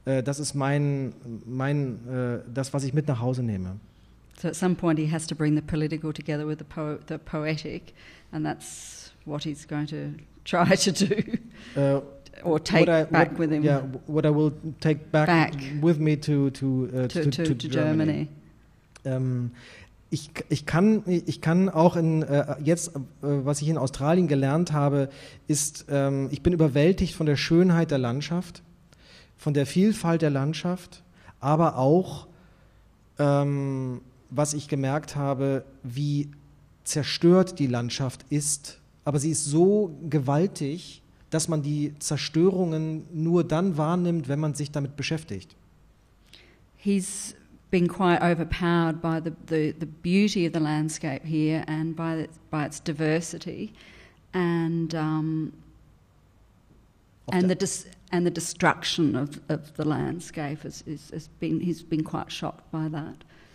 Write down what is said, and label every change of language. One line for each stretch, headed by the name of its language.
German: Das ist was ich mit nach Hause nehme.
English: So at some point he has to bring the political together with the poetic, and that's what he's going to try to do. I will take back with me to Germany.
German: Was ich in Australien gelernt habe, ist, ich bin überwältigt von der Schönheit der Landschaft, von der Vielfalt der Landschaft, aber auch, was ich gemerkt habe, wie zerstört die Landschaft ist. Aber sie ist so gewaltig, dass man die Zerstörungen nur dann wahrnimmt, wenn man sich damit beschäftigt.
English: He's been quite overpowered by the beauty of the landscape here and by its diversity and the destruction of the landscape he's been quite shocked by that.